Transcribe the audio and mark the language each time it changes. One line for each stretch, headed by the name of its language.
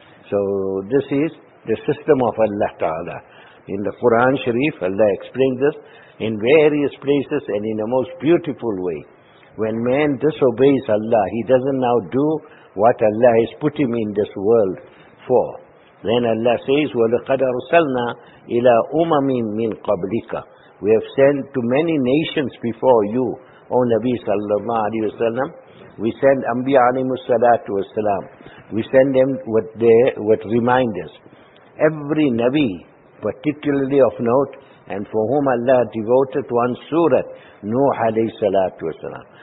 English: So this is the system of Allah Ta'ala. In the Quran Sharif, Allah explains this in various places and in a most beautiful way. When man disobeys Allah, he doesn't now do what Allah has put him in this world for. Then Allah says,
Arabic: وَلَقَدْ أَرْسَلْنَا إِلَىٰ أُمَمٍ مِّن قَبْلِكَ.
English: We have sent to many nations before you, O Nabi sallallahu alayhi wa sallam. We send Anbiya alayhi salatu wa salam. We send them with reminders. Every Nabi, particularly of note, and for whom Allah devoted one surah, Nuh alayhi salatu wa salam.